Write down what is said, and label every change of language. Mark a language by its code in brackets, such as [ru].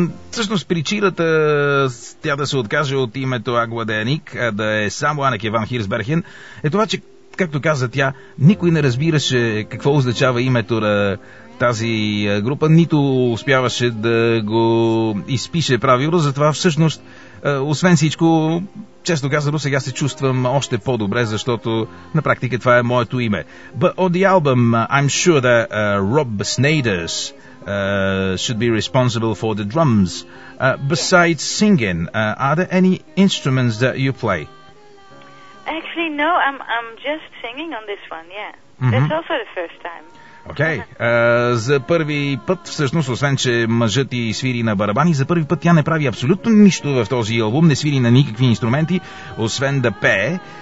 [bg] Всъщност причината тя да се откаже от името Агва Деяник, да е само Анеке ван Хирсберген, е това, че, както каза тя, никой не разбираше какво означава името на тази група, нито успяваше да го изпише правилно, затова всъщност, освен всичко, често казано, сега се чувствам още по-добре, защото на практика това е моето име. [en] But on the album, I'm sure that Rob Snyders should be responsible for the drums. Besides singing, are there any instruments that you play? Actually, no, I'm just singing on this one, yeah. Mm-hmm. That's also the first time. [bg] Окей. За първи път, всъщност, освен че мъжът ѝ свири на барабани, за първи път тя не прави абсолютно нищо в този албум, не свири на никакви инструменти, освен да пее.